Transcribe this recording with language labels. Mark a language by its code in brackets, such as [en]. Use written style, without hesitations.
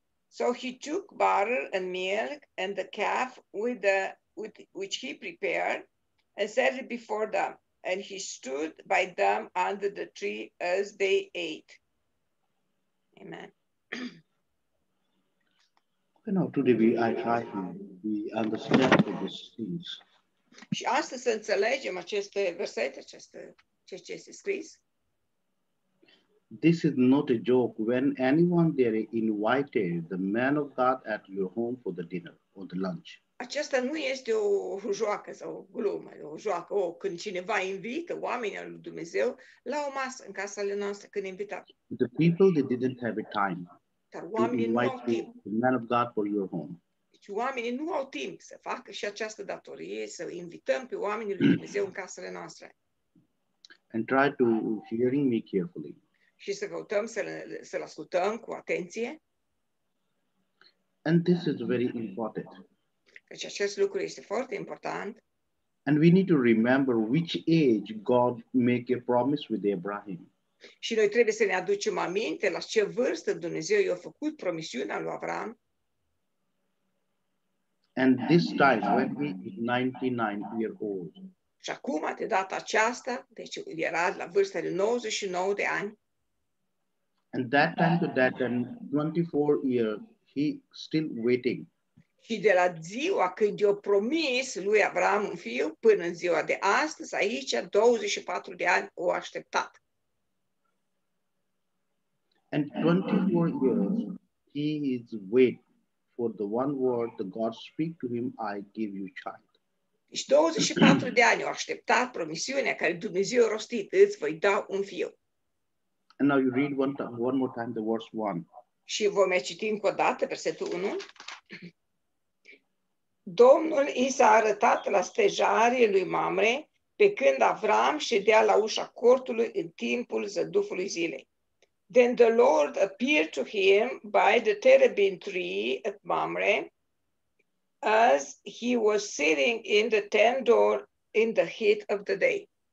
[en] So he took butter and milk and the calf which he prepared and set it before them. And he stood by them under the tree as they ate. Amen. You know, today we I try to be understand these things. [ro] Și astăzi să înțelegem aceste versete, aceste ce este scris. [en] This is not a joke. When anyone there invited the man of God at your home for the dinner or the lunch. [ro] Aceasta nu este o joacă sau o glumă, o joacă. O, când cineva invită oamenii al lui Dumnezeu la o masă în casa lui noastră, când invită. [en] The people they didn't have a time. [ro] Dar oamenii nu au timp. [en] The man of God for your home. [ro] Deci oamenii nu au timp să facă și această datorie, să invităm pe oamenii lui Dumnezeu în casele noastre. [en] And try to hearing me carefully. [ro] Și să căutăm să-l ascultăm cu atenție. [en] And this is very important. [ro] Deci acest lucru este foarte important. [en] And we need to remember which age God make a promise with Abraham. [ro] Și noi trebuie să ne aducem aminte la ce vârstă Dumnezeu i-a făcut promisiunea lui Avram. [en] And this time when he is 99 years old. [ro] Și acum, de data aceasta, deci era la vârsta de 99 de ani. [en] And that time to that time, 24 years, he still waiting. [ro] Și de la ziua când i-a promis lui Avram un fiu, până în ziua de astăzi, aici, 24 de ani, o așteptat. [en] And 24 years, he is waiting for the one word that God speak to him, I give you child. [ro] Și 24 de ani o așteptat promisiunea care Dumnezeu a rostit, îți voi da un fiu. [en] And now you read one more time the verse 1. [ro] Și vom mai citi încă o dată versetul 1. Domnul i s-a arătat la stejarii lui Mamre pe când Avram ședea la ușa cortului în timpul zădufului zilei. [en] Then the Lord appeared to him by the terebinth tree at Mamre as he was sitting in the tent door in the heat of the day.